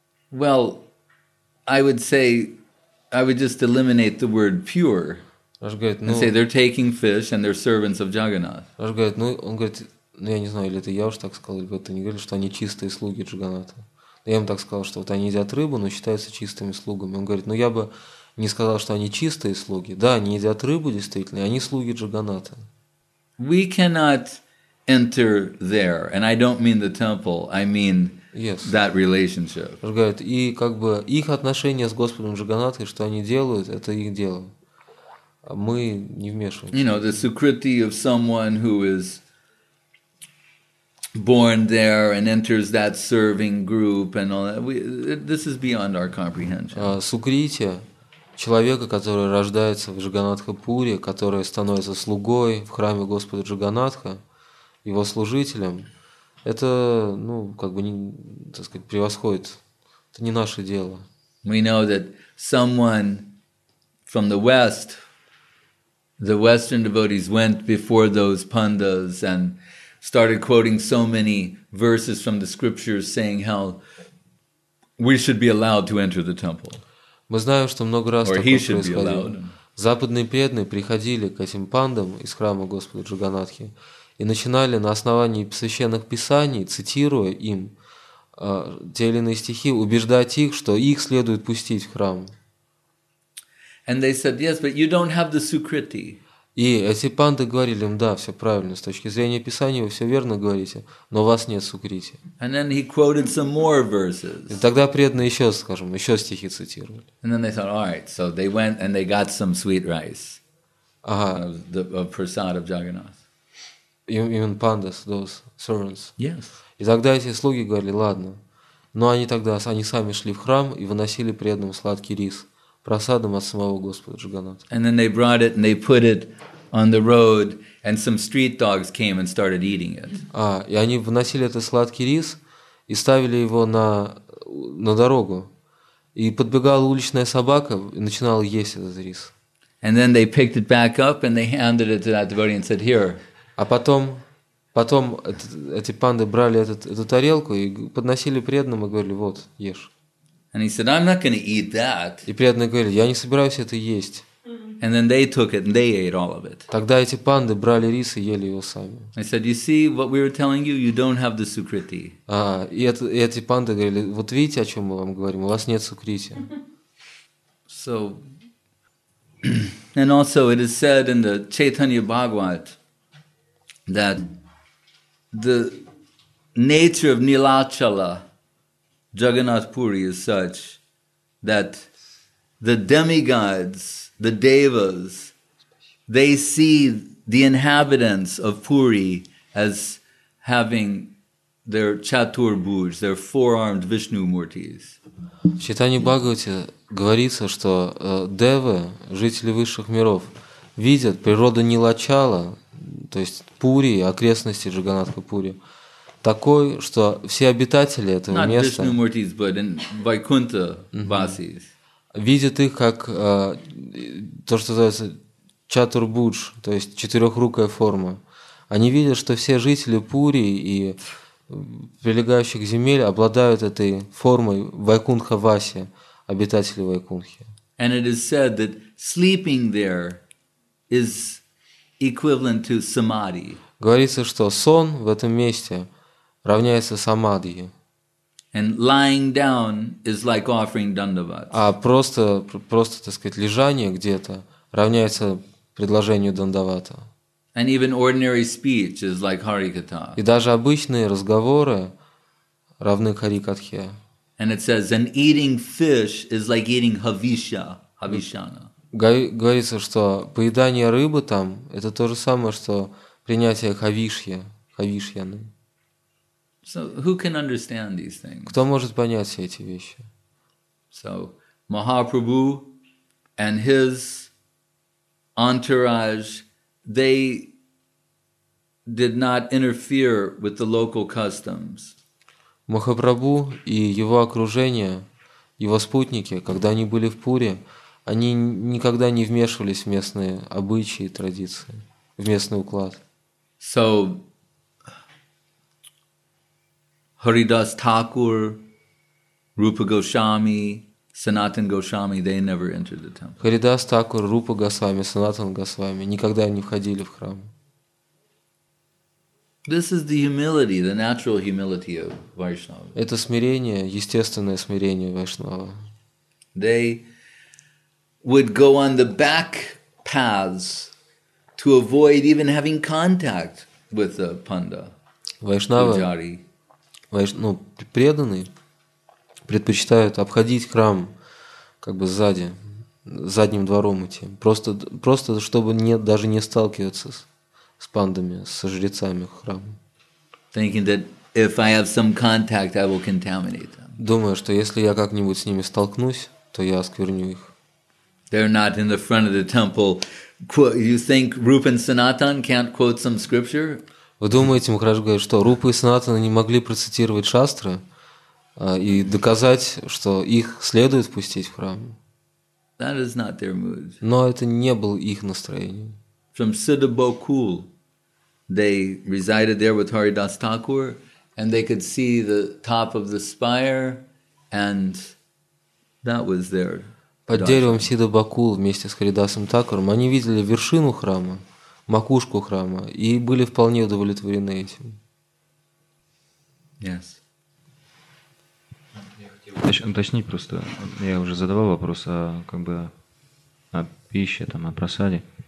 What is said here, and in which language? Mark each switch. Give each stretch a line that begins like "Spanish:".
English: Well, I would say, I would just eliminate the word pure, and say they're taking fish and they're servants of Jagannath.
Russian: Аж говорит, ну он говорит, ну я не знаю, или это я уж так сказал, либо ты не говорил, что они чистые слуги Джаганнатха. Я ему так сказал, что вот они едят рыбу, но считаются чистыми слугами. Он говорит, ну я бы не сказал, что они чистые слуги. Да, они едят рыбу, действительно, и они слуги Джаганнатха.
English: We cannot enter there, and I don't mean the temple, I mean that relationship.
Russian: Он говорит, и как бы их отношения с Господом Джаганнатхой, что они делают, это их дело. Мы не вмешиваемся.
English: You know, the sukriti of someone who is born there and enters that serving group and all that. This is beyond our comprehension.
Russian: Сукрити человека, который рождается в Джаганатха-пуре, который становится слугой в храме Господа Джаганатха, его служителем, это, ну, как бы, не, так сказать, превосходит. Это не наше дело.
English: We know that someone from the West, the Western devotees went before those pandas and started quoting so many verses from the scriptures saying how we should be allowed to enter the temple.
Russian: Мы знаем, что много раз такое происходило. Западные преданные приходили к этим пандам из храма Господа Джаганатхи и начинали на основании священных писаний, цитируя им те или иные стихи, убеждать их, что их следует пустить в храм.
English: And they said, yes, but you don't have the sukriti.
Russian: И эти панды говорили им, да, все правильно, с точки зрения Писания вы все верно говорите, но у вас нет сукрити. И тогда преданные еще, скажем, еще стихи цитировали.
English: And then they thought, all right, so they went and they got some sweet rice of prasad of Jagannath. Even pandas, those servants. Yes.
Russian: И тогда эти слуги говорили, ладно, но они тогда, они сами шли в храм и выносили преданным сладкий рис. Прасадом от самого Господа Джаганнатха.
English: And then they brought it and they put it on the road and some street dogs came and started eating it.
Russian: И они выносили этот сладкий рис и ставили его на дорогу. И подбегала уличная собака и начинала есть этот рис.
English: And then they picked it back up and they handed it to that devotee and said, here.
Russian: А потом эти панды брали эту тарелку и подносили преданным и говорили, вот, ешь.
English: And he said, "I'm not going to eat that."
Russian: И преданные говорили, я не собираюсь это есть.
English: And then they took it and they ate all of it.
Russian: Тогда эти панды брали рис и ели его сами.
English: I said, "You see what we were telling you? You don't have the sukriti."
Russian: И эти панды говорили, вот видите, о чем мы вам говорим? У вас нет сукрити.
English: So, and also it is said in the Chaitanya Bhagavat that the nature of Nilachala Jagannath Puri is such that the demigods, the devas, they see the inhabitants of Puri as having their chaturbhuj, their four-armed Vishnu murtis.
Russian: В Читании Бхагавате говорится, что девы, жители высших миров, видят природу Нилачала, то есть Пури, окрестности Джаганнатха Пури, такой, что все обитатели этого
English: not
Russian: места
English: Vishnu Murtis, but in Vaikuntha Vasis.
Russian: Видят их как то, что называется чатурбудж, то есть четырехрукая форма. Они видят, что все жители Пури и прилегающих земель обладают этой формой Вайкунха Васи, обитатели Вайкунхи.
English: And it is said that sleeping there is equivalent to samadhi.
Russian: Говорится, что сон в этом месте равняется самадхи.
English: And lying down is like offering dandavat.
Russian: А просто, так сказать, лежание где-то равняется предложению дандавата.
English: And even ordinary speech is like harikatha.
Russian: И даже обычные разговоры равны харикатхе.
English: And it says, and eating fish is like eating havisha, havishana.
Russian: Говорится, что поедание рыбы там это то же самое, что принятие хавишья, хавишьяны.
English: So who can understand these things?
Russian: Кто может понять все эти вещи?
English: So Mahaprabhu and his entourage, they did not interfere with the local customs.
Russian: Махапрабху и его окружение, его спутники, когда они были в Пуре, они никогда не вмешивались в местные обычаи, традиции, в местный уклад.
English: So, Haridas Thakur, Rupa Goswami, Sanatan Goswami, they never entered the temple.
Russian: Haridas Thakur, Rupa Goswami, Sanatan Goswami никогда не входили в храм.
English: This is the humility, the natural humility of Vaishnava.
Russian: Это смирение, естественное смирение Вайшнава.
English: They would go on the back paths to avoid even having contact with the panda.
Russian: Вайшнавы, ну, преданные предпочитают обходить храм как бы сзади, задним двором идти, просто чтобы даже не сталкиваться с пандами, с жрецами храма.
English: Thinking that if I have some contact, I will contaminate them.
Russian: Думаю, что если я как-нибудь с ними столкнусь, то я оскверню их.
English: They're not in the front of the temple. You think Rupa and Sanatan can't quote some scripture?
Russian: Вы думаете, Махарадж говорит, что Рупа и Санатана не могли процитировать шастры и доказать, что их следует впустить в храм?
English: That is not their mood.
Russian: Но это не было их настроением.
English: From Siddhabokul, they resided there with Haridas Thakur, and they could see the top of the spire, and that was their.
Russian: Под деревом Сиддхабакул вместе с Харидасом Такуром они видели вершину храма, макушку храма, и были вполне удовлетворены этим.
English: Yes.
Russian: Я хотел уточнить просто, я уже задавал вопрос о, как бы, о пище, там, о просаде.